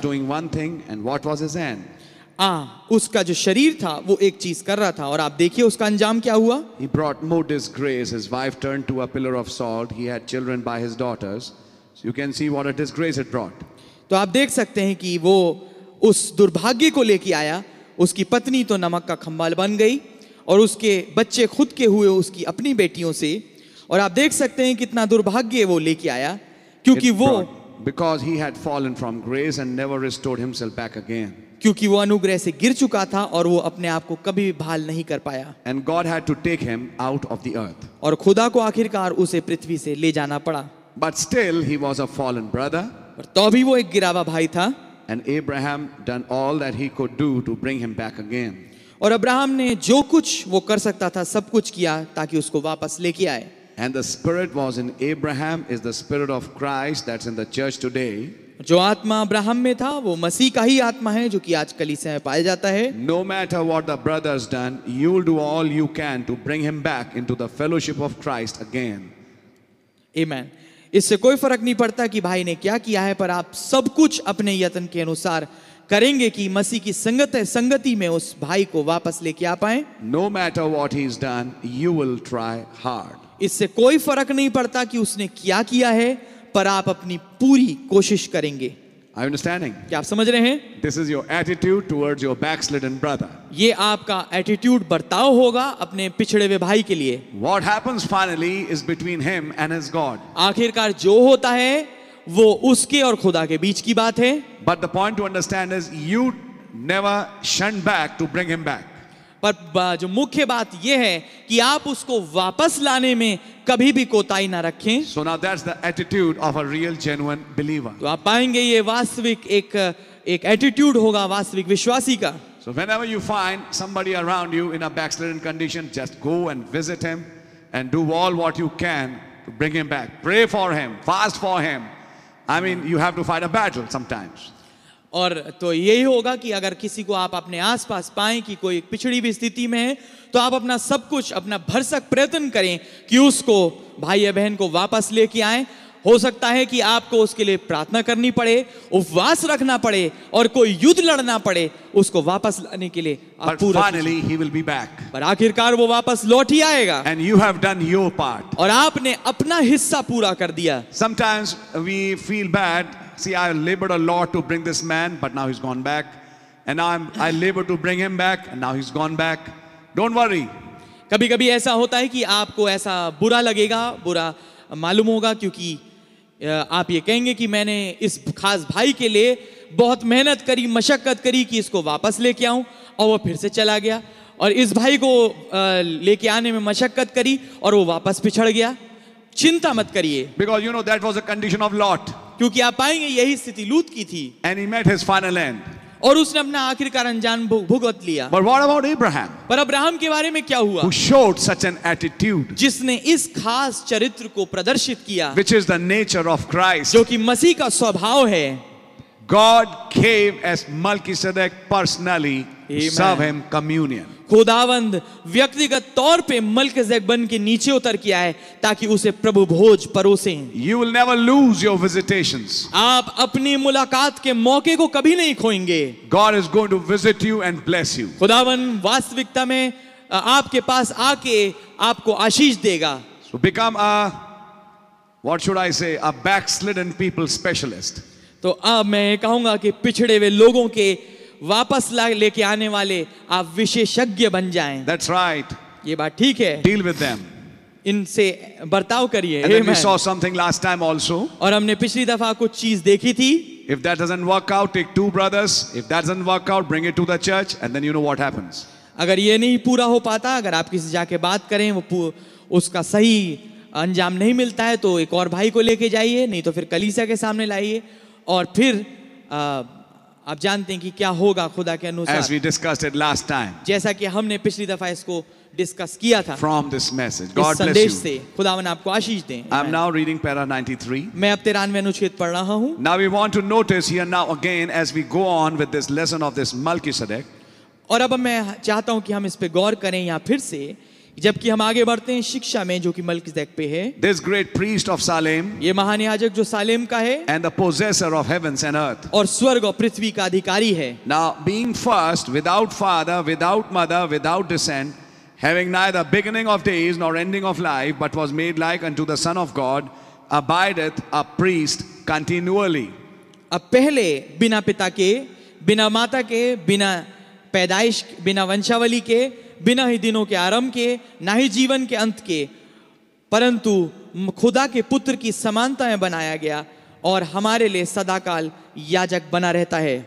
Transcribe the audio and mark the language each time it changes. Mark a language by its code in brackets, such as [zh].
[en] Now his flesh was doing one thing, and what was his end? [hi] उसका जो शरीर था वो एक चीज कर रहा था और आप देखिए उसका अंजाम क्या हुआ. [en] He brought more disgrace. His wife turned to a pillar of salt. He had children by his daughters. So you can see what a disgrace it brought. [hi] तो आप देख सकते हैं कि वो उस दुर्भाग्य को लेके आया. उसकी पत्नी तो नमक का खंबाल बन गई और उसके बच्चे खुद के हुए उसकी अपनी बेटियों से. और आप देख सकते हैं कितना दुर्भाग्य वो लेके आया क्योंकि वो [en] because he had fallen from grace and never restored himself back again. [hi] क्योंकि वो अनुग्रह से गिर चुका था और वो अपने आप को कभी भी बहाल नहीं कर पाया. [en] And God had to take him out of the earth. [hi] और खुदा को आखिरकार उसे पृथ्वी से ले जाना पड़ा. [en] But still he was a fallen brother. [hi] पर तो भी वो एक गिरावा भाई था. [en] And Abraham done all that he could do to bring him back again. [hi] और अब्राहम ने जो कुछ वो कर सकता था सब कुछ किया ताकि उसको वापस लेके आए. [en] And the spirit was in Abraham is the spirit of Christ that's in the church today. [hi] जो आत्मा अब्राहम में था वो मसीह का ही आत्मा है जो कि आज कलीसिया में पाया जाता है. [en] No matter what the brothers done, you will do all you can to bring him back into the fellowship of Christ again. Amen. [hi] इससे कोई फर्क नहीं पड़ता कि भाई ने क्या किया है, पर आप सब कुछ अपने यत्न के अनुसार करेंगे कि मसीह की संगति में उस भाई को वापस लेके आ पाए. [en] No matter what he is done, you will try hard. [hi] इससे कोई फर्क नहीं पड़ता कि उसने क्या किया है, पर आप अपनी पूरी कोशिश करेंगे. [en] I'm understanding. [hi] क्या आप समझ रहे हैं? [en] This is your attitude towards your backslidden brother. [hi] ये आपका attitude बर्ताव होगा अपने पिछड़े हुए भाई के लिए. [en] What happens finally is between him and his God. [hi] आखिरकार जो होता है वो उसके और खुदा के बीच की बात है. [en] But the point to understand is you never shun back to bring him back. [hi] पर जो मुख्य बात यह है कि आप उसको वापस लाने में कभी भी कोताही ना रखें. [en] So now that's the attitude of a real genuine believer. [hi] तो आप पाएंगे ये वास्तविक एक attitude होगा वास्तविक विश्वासी का. [en] So whenever you find somebody around you in a backslidden condition, just go and visit him and do all what you can to bring him back. Pray for him, fast for him. I mean, you have to fight a battle sometimes. [hi] और तो यही होगा कि अगर किसी को आप अपने आसपास पाएं कि कोई पिछड़ी हुई स्थिति में है तो आप अपना सब कुछ अपना भरसक प्रयत्न करें कि उसको भाई या बहन को वापस लेके आए. हो सकता है कि आपको उसके लिए प्रार्थना करनी पड़े, उपवास रखना पड़े और कोई युद्ध लड़ना पड़े उसको वापस लाने के लिए. [en] But finally he will be back. [hi] पर आखिरकार वो वापस लौट ही आएगा. [en] And you have done your part. [hi] और आपने अपना हिस्सा पूरा कर दिया. [en] Sometimes we feel bad. see, I labored a lot to bring this man, but now he's gone back. And I labored to bring him back, and now he's gone back. Don't worry. [hi] कभी-कभी ऐसा होता है कि आपको ऐसा बुरा लगेगा, बुरा मालूम होगा, क्योंकि आप ये कहेंगे कि मैंने इस खास भाई के लिए बहुत मेहनत करी, मशक्कत करी कि इसको वापस लेके आऊं, और वो फिर से चला गया, और इस भाई को लेके आने में मशक्कत करी, और वो वापस पिछड़ गया। चिंता मत करिए। [en] Because you know that was a condition of Lot. [hi] क्योंकि आप पाएंगे यही स्थिति लूत की थी। [en] And he met his final end. [hi] और उसने अपना आखिरकार अंजाम भुगत लिया। [en] But what about Abraham? [hi] पर अब्राहम के बारे में क्या हुआ? [en] Who showed such an attitude? [hi] जिसने इस खास चरित्र को प्रदर्शित किया। [en] Which is the nature of Christ? [hi] जो कि मसीह का स्वभाव है। [en] God came as Melchizedek personally, serve him communion. [hi] खुदावंद व्यक्तिगत तौर पे मलकीसेदेक बन के नीचे उतर के आए ताकि उसे प्रभु भोज परोसें। [en] You will never lose your visitations. [hi] आप अपनी मुलाकात के मौके को कभी नहीं खोएंगे। [en] God is going to visit you and bless you. [hi] खुदावंद वास्तविकता में आपके पास आके आपको आशीष देगा। [en] So become a, what should I say, a backslidden people specialist. [hi] तो अब मैं कहूंगा कि पिछड़े हुए लोगों के वापस लेके आने वाले आप विशेषज्ञ बन जाएं। [en] That's right. [hi] ये बात ठीक है। [en] Deal with them. [hi] इनसे बर्ताव करिए। [en] And then we saw something last time also. [hi] और हमने पिछली दफा कुछ चीज देखी थी। [en] If that doesn't work out, take two brothers. If that doesn't work out, bring it to the church, and then you know what happens. [hi] अगर ये नहीं पूरा हो पाता, अगर आप किसी जाके बात करें, वो उसका सही अंजाम नहीं मिलता है, तो एक और भाई को लेके जाइए, नहीं तो फिर कलीसिया के सामने लाइए, और फिर आप जानते हैं कि क्या होगा खुदा के अनुसार। [en] As we discussed it last time, [hi] जैसा कि हमने पिछली दफा इसको डिस्कस किया था। [en] From this message, God bless you. [hi] इस संदेश से खुदावन आपको आशीष दें। [en] I'm now reading para 93. [hi] मैं अब 93 अनुच्छेद पढ़ रहा हूँ। [en] Now we want to notice here now again as we go on with this lesson of this Melchizedek. [hi] और अब मैं चाहता हूँ कि हम इस पे गौर करें यहाँ फिर से, जबकि हम आगे बढ़ते हैं शिक्षा में जो कि मलकीसेदेक पे है। [en] This great priest of Salem, [hi] ये महान याजक जो सालेम का है, [en] and the possessor of heavens and earth, [hi] और स्वर्ग और पृथ्वी का अधिकारी है। [en] Now being first, without father, without mother, without descent, having neither beginning of days nor ending of life, but was made like unto the Son of God, abideth a priest continually. [hi] अब पहले बिना पिता के, बिना माता के, बिना पैदाइश, बिना वंशावली के, बिना ही दिनों के आरंभ के, ना ही जीवन के अंत के, परंतु खुदा के पुत्र की समानता में बनाया गया और हमारे लिए सदाकाल याजक बना रहता है।